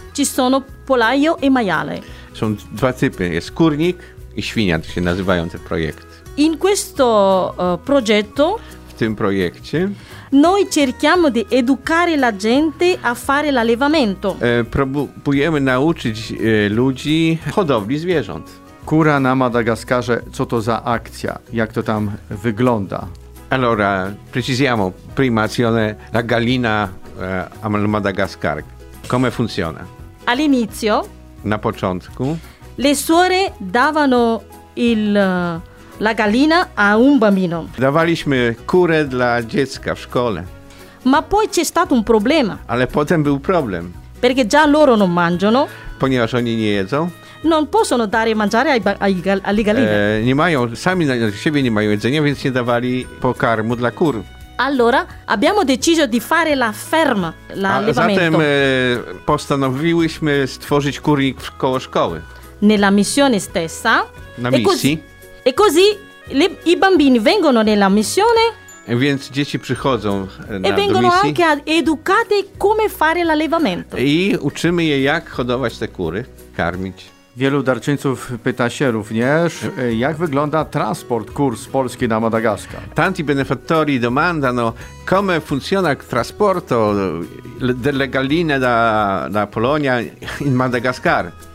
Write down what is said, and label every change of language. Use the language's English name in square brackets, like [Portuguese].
[Italian] Ci sono pollaio e maiale. Sono due tipi, [Polish] skórnik i świnia, si nazywają te projekt. [Italian] In questo progetto. [Polish] W tym projekcie. [Italian] Noi cerchiamo di educare la gente a fare l'allevamento. [Polish] Próbujemy nauczyć ludzi hodowli zwierząt. Kura na Madagaskarze, co to za akcja? Jak to tam wygląda? [Italian] Allora, precisiamo prima azione la gallina a Madagascar. Come funziona? All'inizio. [Polish] Na początku. [Italian] Le suore davano la gallina a un bambino. [Polish] Dawaliśmy kurę dla dziecka w szkole. [Italian] Ma poi c'è stato un problema. [Polish] Ale potem był problem. [Italian] Perché già loro non mangiano. [Polish] Ponieważ oni nie jedzą. [Italian] Non possono dare mangiare alle galline. [Polish] Nie mają, sami na siebie nie mają jedzenia, więc nie dawali pokarmu dla kur. [Italian] Allora abbiamo deciso di fare la ferma, l'allevamento. [Polish] Zatem postanowiłyśmy stworzyć kurnik koło szkoły. [Italian] Nella missione stessa. [Polish] Na misji. [Italian] E così i bambini vengono nella missione. [Polish] Więc dzieci przychodzą [Italian] e vengono anche educate come fare l'allevamento. [Polish] I uczymy je, jak hodować te kury, karmić. Wielu darczyńców pyta się również, jak wygląda transport kur z Polski na Madagaskar. [Italian] Tanti benefattori domandano come funziona il trasporto delle galline da Polonia in Madagascar.